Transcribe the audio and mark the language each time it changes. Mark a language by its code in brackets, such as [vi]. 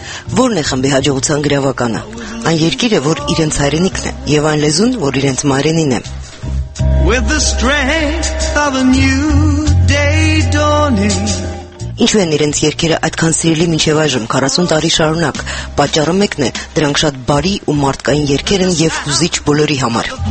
[hy] Որն է խմբի հաջողության գրավականը? Այն երկիրը, որ իրենց հայրենիքն է, եւ այն լեզուն, որ իրենց մայրենին է. [en] With the strength of a new day dawning. [hy] Ինչու են իրենց երկերը այդքան սիրելի մինչև այժմ 40 տարի շարունակ? Պատճառը մեկն է, դրանք շատ բարի ու մարդկային երկեր են եւ հուզիչ բոլորի համար.